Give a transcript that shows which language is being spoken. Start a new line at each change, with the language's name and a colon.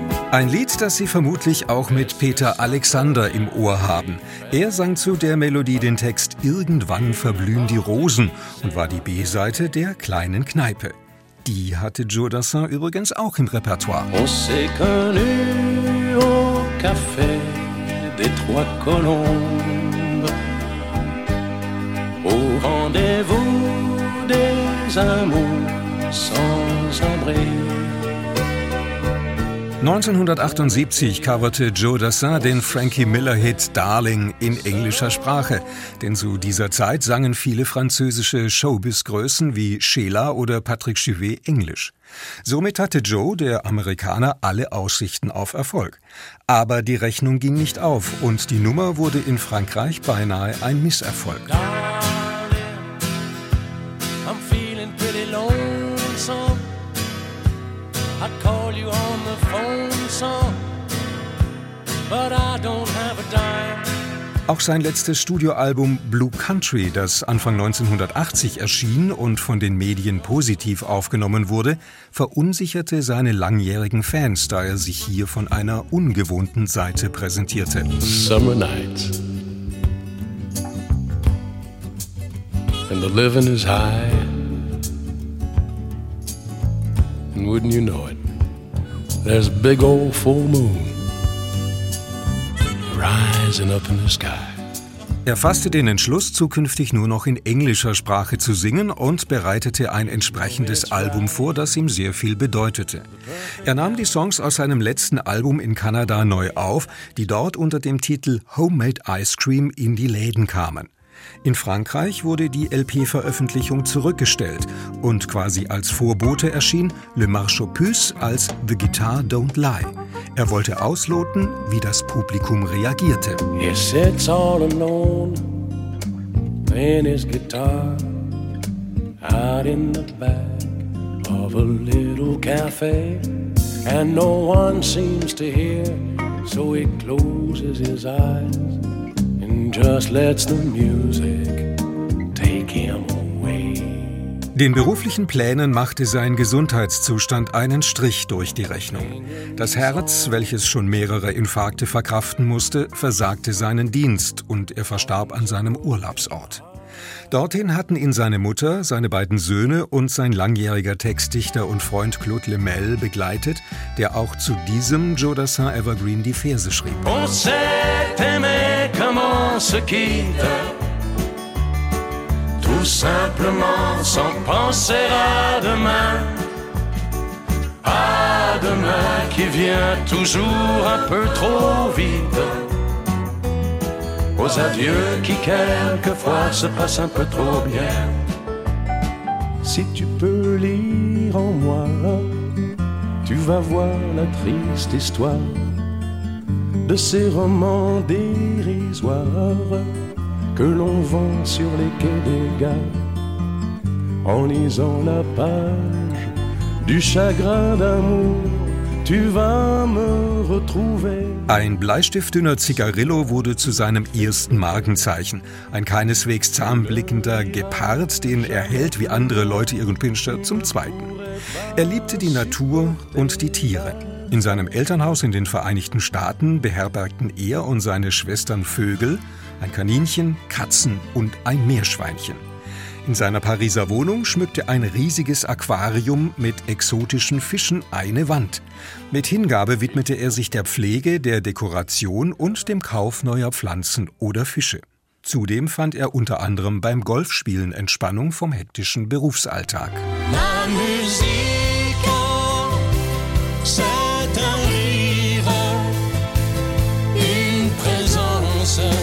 German: Ein Lied, das Sie vermutlich auch mit Peter Alexander im Ohr haben. Er sang zu der Melodie den Text »Irgendwann verblühen die Rosen« und war die B-Seite der kleinen Kneipe. Die hatte Joe Dassin übrigens auch im Repertoire.
French: On s'est connu au café des Trois Colombes. Au rendez-vous des amours sans abri.
German: 1978 coverte Joe Dassin den Frankie Miller-Hit Darling in englischer Sprache. Denn zu dieser Zeit sangen viele französische Showbiz-Größen wie Sheila oder Patrick Chivet Englisch. Somit hatte Joe, der Amerikaner, alle Aussichten auf Erfolg. Aber die Rechnung ging nicht auf und die Nummer wurde in Frankreich beinahe ein Misserfolg.
English: Darling, I'm feeling pretty lonesome. I call you on the phone some, but I don't have a dime.
German: Auch sein letztes Studioalbum Blue Country, das Anfang 1980 erschien und von den Medien positiv aufgenommen wurde, verunsicherte seine langjährigen Fans, da er sich hier von einer ungewohnten Seite präsentierte.
English: Summer night. And the living is high. And wouldn't you know it? There's a big old full moon rising up in the sky.
German: Er fasste den Entschluss, zukünftig nur noch in englischer Sprache zu singen und bereitete ein entsprechendes Album vor, das ihm sehr viel bedeutete. Er nahm die Songs aus seinem letzten Album in Kanada neu auf, die dort unter dem Titel Homemade Ice Cream in die Läden kamen. In Frankreich wurde die LP-Veröffentlichung zurückgestellt und quasi als Vorbote erschien Le Marche aux Puces als The Guitar Don't Lie. Er wollte ausloten, wie das Publikum reagierte. He sits all alone playing his guitar out in the back of a little cafe and no one seems to hear, so he closes his eyes. Just lets the music take him away. Den beruflichen Plänen machte sein Gesundheitszustand einen Strich durch die Rechnung. Das Herz, welches schon mehrere Infarkte verkraften musste, versagte seinen Dienst und er verstarb an seinem Urlaubsort. Dorthin hatten ihn seine Mutter, seine beiden Söhne und sein langjähriger Textdichter und Freund Claude Lemel begleitet, der auch zu diesem Joe Dassin Evergreen die Verse schrieb.
French: On s'est aimé comme on se quitte, tout simplement sans penser à demain qui vient toujours un peu trop vite. Aux adieux qui quelquefois se passent un peu trop bien. Si tu peux lire en moi, tu vas voir la triste histoire de ces romans dérisoires que l'on vend sur les quais des gares en lisant la page du chagrin d'amour. Tu vas me retrouver.
German: Ein bleistiftdünner Zigarillo wurde zu seinem ersten Markenzeichen. Ein keineswegs zahnblickender Gepard, den er hält wie andere Leute ihren Pinscher, zum zweiten. Er liebte die Natur und die Tiere. In seinem Elternhaus in den Vereinigten Staaten beherbergten er und seine Schwestern Vögel, ein Kaninchen, Katzen und ein Meerschweinchen. In seiner Pariser Wohnung schmückte ein riesiges Aquarium mit exotischen Fischen eine Wand. Mit Hingabe widmete er sich der Pflege, der Dekoration und dem Kauf neuer Pflanzen oder Fische. Zudem fand er unter anderem beim Golfspielen Entspannung vom hektischen Berufsalltag.
French: La musique, c'est un rire, une présence.